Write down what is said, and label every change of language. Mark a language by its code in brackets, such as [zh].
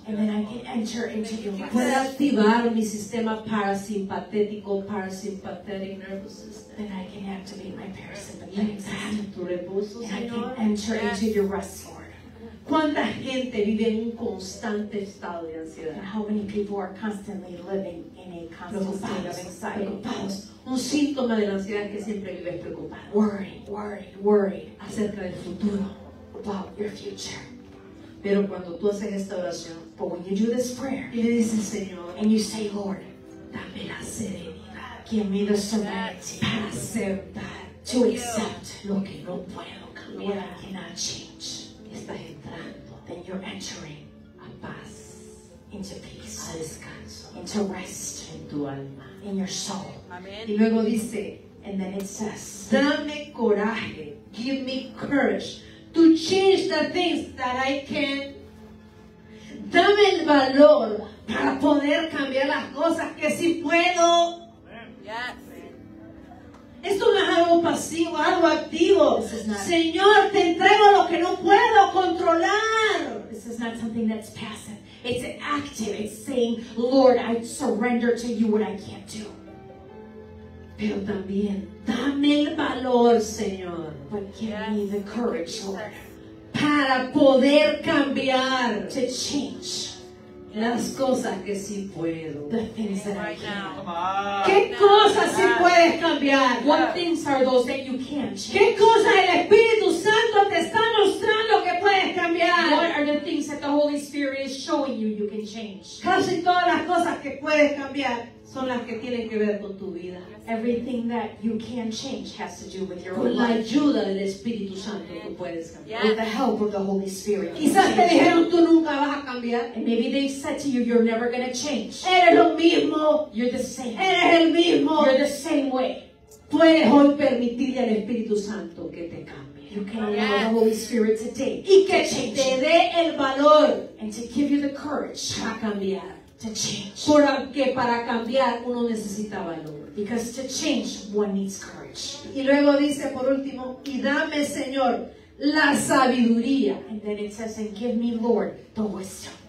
[en] And then I can enter into your rest. [es] Puede activar mi sistema parasimpatético, [en] parasympathetic nervous system. Then I can activate my parasympathetic. [es] Y entrar en tu reposo, [en] and Señor. I can enter into your rest, Lord. [es] ¿Cuánta gente vive en un constante estado de ansiedad? [en] How many people are constantly living in in a constant state of anxiety. [es] Preocupados. Un síntoma de la ansiedad es que siempre vives preocupado. [en] Worried [es] acerca del futuro. [en] About your future. [es] Pero cuando tú haces esta oración, [en] but when you do this prayer, [es] y le dices, Señor, [en] and you say, Lord, [es] dame la serenidad, [en] give me the serenity, [es] para aceptar, [en] to accept [es] lo que no puedo cambiar, [en] what I cannot change, [es] estás entrando, [en] then you're entering [es] a paz, [en] into peace, [es] a descanso, [en] into rest, [es] en tu alma, [en] in your soul. Amen. [es] Y luego dice, [en] and then it says, [es] dame coraje, [en] give me courage to change the things that I can. [es] Dame el valor para poder cambiar las cosas que sí puedo. [en] Yes. [es] Esto no es algo pasivo, algo activo. Señor, te entrego lo que no puedo controlar. [en] This is not something that's passive. It's active. It's saying, Lord, I surrender to you what I can't do. [es] Pero también, dame el valor, Señor. [en] But give me the courage, Lord. [es] Para poder cambiar, [en] to change [es] las cosas que sí puedo, [en] the things that right I can. [es] ¿Qué cosas sí puedes cambiar? [en] What things are those that you can change? [es] ¿Qué cosas el Espíritu Santo te está mostrando que puedes cambiar? [en] What are the things that the Holy Spirit is showing you you can change? [es] Casi todas las cosas que puedes cambiar son las que tienen que ver con tu vida. [en] Everything that you can change has to do with your [es] con [en] own life. [es] Con la ayuda del Espíritu Santo, tú puedes cambiar. [en] Yeah. With the help of the Holy Spirit. [es] Quizás te dijeron, tú nunca vas a cambiar. [en] And maybe they said to you, you're never going to change. [es] Eres lo mismo. [en] You're the same. [es] Eres el mismo. [en] You're the same way. [es] Puedes hoy permitirle al Espíritu Santo que te cambie. [en] You can allow the Holy Spirit to take. [es] Y que te dé el valor. [en] And to give you the courage. [es] Para cambiar. [en] To change. [es] Porque para cambiar uno necesita valor. [en] Because to change one needs courage. [es] Y luego dice por último, y dame, Señor, la sabiduría. [en] And then it says, and give me, Lord, the wisdom.